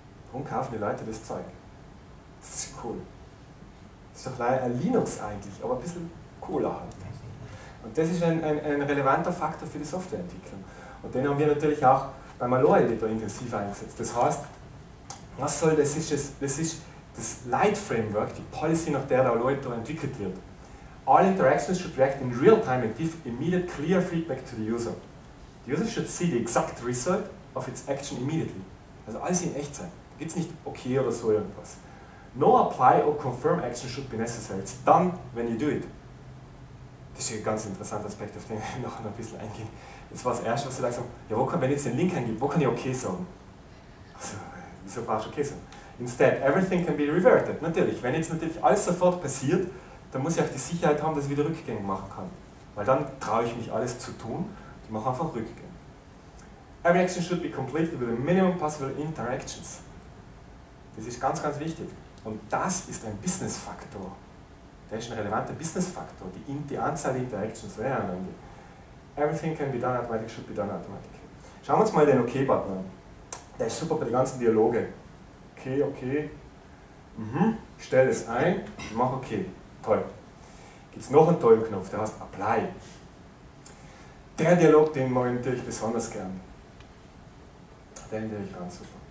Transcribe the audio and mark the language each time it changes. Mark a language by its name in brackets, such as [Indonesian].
[German] Warum kaufen die Leute das Zeug? Das ist cool. Das ist doch leider Linux eigentlich, aber ein bisschen cooler halt. Und das ist ein relevanter Faktor für die Softwareentwicklung. Und den haben wir natürlich auch beim Malware Editor intensiv eingesetzt. Das heißt, was soll das? Das ist das Light Framework, die Policy, nach der Malware Editor entwickelt wird. [English] All interactions should react in real time and give immediate clear feedback to the user. The user should see the exact result of its action immediately. [German] Also alles in Echtzeit. Da gibt es nicht okay oder so irgendwas. [English] No apply or confirm action should be necessary. It's done when you do it. [German] Das ist ein ganz interessanter Aspekt, auf den ich noch ein bisschen eingehen. Das war das Erste, was ich gesagt habe. Ja, wenn ich jetzt den Link eingebe, wo kann ich okay sagen? Also, wieso brauchst du okay sagen? [English] Instead, everything can be reverted. [German] Natürlich, wenn jetzt natürlich alles sofort passiert, dann muss ich auch die Sicherheit haben, dass ich wieder rückgängig machen kann. Weil dann traue ich mich alles zu tun, ich mache einfach rückgängig. [English] Every action should be completed with the minimum possible interactions. [German] Das ist ganz, ganz wichtig. Und das ist ein Business-Faktor. Der ist ein relevanter Business-Faktor, die Anzahl der Interactions. [English] Everything can be done automatically, should be done automatically. [German] Schauen wir uns mal den OK-Button an. Der ist super bei den ganzen Dialogen. Okay. Ich stelle es ein, ich mache OK. Toll. Gibt es noch einen tollen Knopf, der heißt Apply. Der Dialog, den mag ich natürlich besonders gern. Den werde ich ganz super.